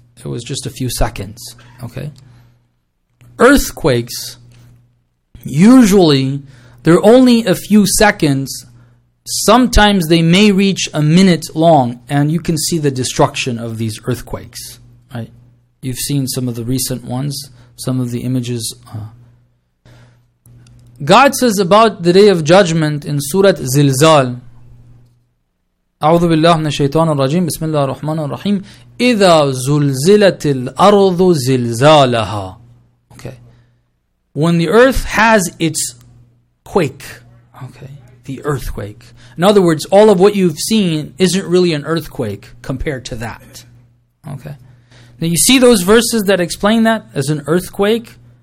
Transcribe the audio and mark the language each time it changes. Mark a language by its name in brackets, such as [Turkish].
[English] It was just a few seconds. Okay? Earthquakes, usually, they're only a few seconds. Sometimes they may reach a minute long, and you can see the destruction of these earthquakes. Right? You've seen some of the recent ones, some of the images. God says about the Day of Judgment in Surah Zilzal, [Arabic] أعوذ بالله من الشيطان الرجيم بسم الله الرحمن الرحيم إذا زلزلت الأرض زلزالها. [English] Okay. When the earth has its quake. Okay. The earthquake. In other words, all of what you've seen isn't really an earthquake compared to that. Okay. Now you see those verses that explain that as an earthquake?